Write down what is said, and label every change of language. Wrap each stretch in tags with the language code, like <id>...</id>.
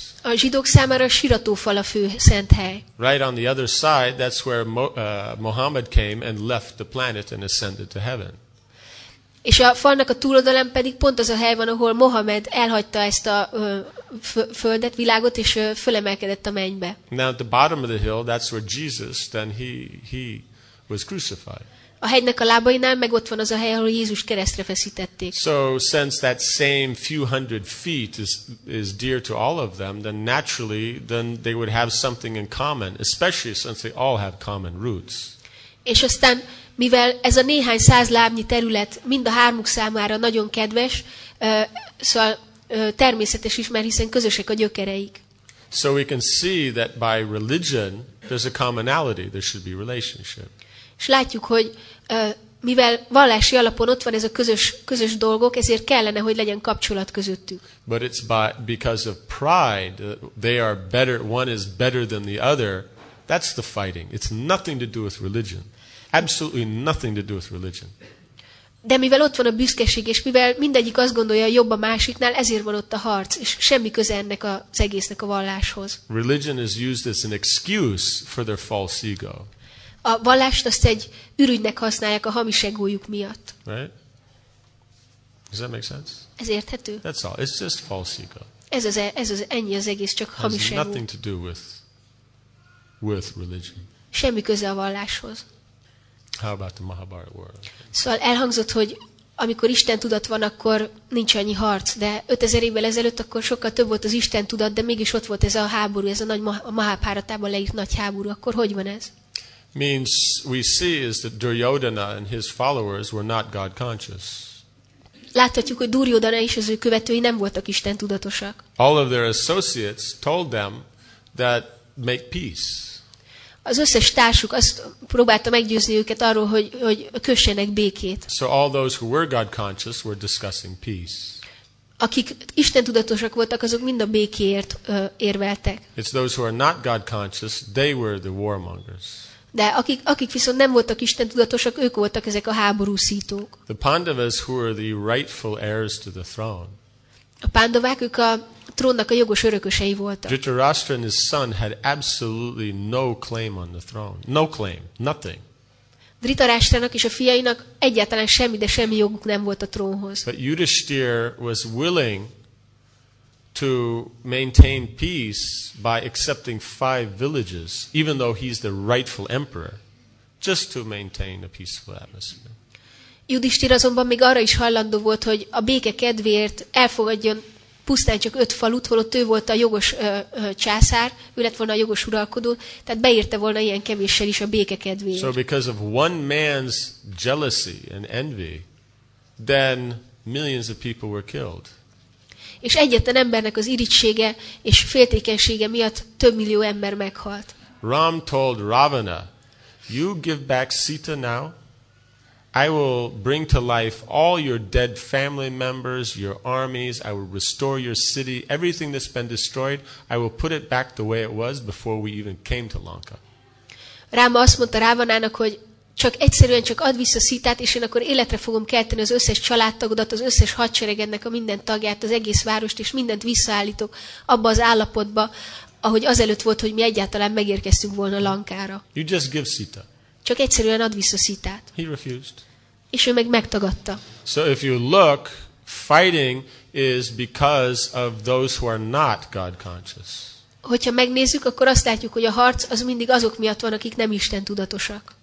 <hu>A zsidók számára a siratófal a fő szent hely.</hu> <en>Right on the other side, that's where Muhammad came and left the planet and ascended to heaven.</en> <hu>És a falnak a túloldalán pedig pont az a hely van, ahol Mohamed elhagyta ezt a földet, világot, és fölemelkedett a mennybe.</hu> <en>Now at the bottom of the hill, that's where Jesus, then he was crucified.</en> <hu>A hegynek a lábainál meg ott van az a hely, ahol Jézus keresztre feszítették.</hu> <en>So since that same few hundred feet is dear to all of them, then naturally then they would have something in common, especially since they all have common roots.</en> <hu>És aztán mivel ez a néhány száz lábnyi terület mind a hármuk számára nagyon kedves, szóval természetes is, mert hiszen közösek a gyökereik.</hu> <en>So we can see that by religion there's a commonality, there should be relationship.</en> <hu>És látjuk, hogy mivel vallási alapon ott van ez a közös dolgok, ezért kellene, hogy legyen kapcsolat közöttük.</hu> <en>But it's by, because of pride, they are better, one is better than the other. That's the fighting. It's nothing to do with religion. Absolutely nothing to do with religion.</en> <hu>De mivel ott van a büszkeség, és mivel mindegyik azt gondolja, hogy jobb a másiknál, ezért van ott a harc, és semmi köze ennek az egésznek a valláshoz.</hu> <en>Religion is used as an excuse for their false ego.</en> <hu>A vallást azt egy ürügynek használják a hamis egójuk miatt.</hu> <en>Right? Does that make sense?</en> <hu>Ez érthető?</hu> <en>That's all. It's just false ego.</en> <hu>Ez az ennyi az egész, csak hamis ego.</hu> <en>Nothing to do with religion.</en> <hu>Semmi köze a valláshoz.</hu> <en>How about the Mahabharata world?</en> <hu>Szóval elhangzott, hogy amikor Isten tudat van, akkor nincs annyi harc, de 5000 évvel ezelőtt akkor sokkal több volt az Isten tudat, de mégis ott volt ez a háború, ez a nagy Mahabharatában leírt nagy háború. Akkor hogy van ez?</hu> <en>Means we see is that Duryodhana and his followers were not God conscious.</en> <hu>Láthatjuk, hogy Duryodhana és az ő követői nem voltak Isten tudatosak.</hu> <en>All of their associates told them that make peace.</en> <hu>Az összes társuk azt próbálta meggyőzni őket arról, hogy kössenek békét.</hu> <en>So all those who were God conscious were discussing peace.</en> <hu>Akik Isten tudatosak voltak, azok mind a békéért érveltek.</hu> <en>It's those who are not God conscious, they were the warmongers.</en> <hu>De akik viszont nem voltak Isten tudatosak, ők voltak ezek a háborúszítók.</hu> <en>The Pandavas who were the rightful heirs to the throne.</en> <hu>A Pandavák, ők a trónnak a jogos örökösei voltak.</hu> <en>Dhritarashtra and his son had absolutely no claim on the throne. No claim, nothing.</en> <hu>Dhritarashtrának és a fiainak egyáltalán semmi, de semmi joguk nem volt a trónhoz.</hu> <en>But Yudhishthir was willing to maintain peace by accepting 5 villages, even though he's the rightful emperor, just to maintain a peaceful atmosphere.</en> <hu>Yudhishthir azonban még arra is hajlandó volt, hogy a béke kedvéért elfogadjon pusztán csak 5 falut, holott ő volt a jogos császár, ő lett volna a jogos uralkodó, tehát beírte volna ilyen kevéssel is a béke kedvéért.</hu> <en>So because of one man's jealousy and envy, then millions of people were killed.</en> <hu>És egyetlen embernek az irigysége és féltékenysége miatt több millió ember meghalt.</hu> <en>Ram told Ravana, "You give back Sita now, I will bring to life all your dead family members, your armies, I will restore your city, everything that's been destroyed, I will put it back the way it was before we even came to Lanka."</en> <hu>Rama azt mondta Ravanának, hogy csak egyszerűen csak add vissza Szitát, és én akkor életre fogom kelteni az összes családtagodat, az összes hadseregednek a minden tagját, az egész várost, és mindent visszaállítok abba az állapotba, ahogy azelőtt volt, hogy mi egyáltalán megérkeztünk volna Lankára.</hu> <en>You just give Sita.</en> <hu>Csak egyszerűen add vissza Szitát.</hu> <en>He refused.</en> <hu>És ő meg megtagadta.</hu> <en>So if you look, fighting is because of those who are not God conscious.</en> <hu>Hogyha megnézzük, akkor azt látjuk, hogy a harc az mindig azok miatt van, akik nem Isten tudatosak.</hu>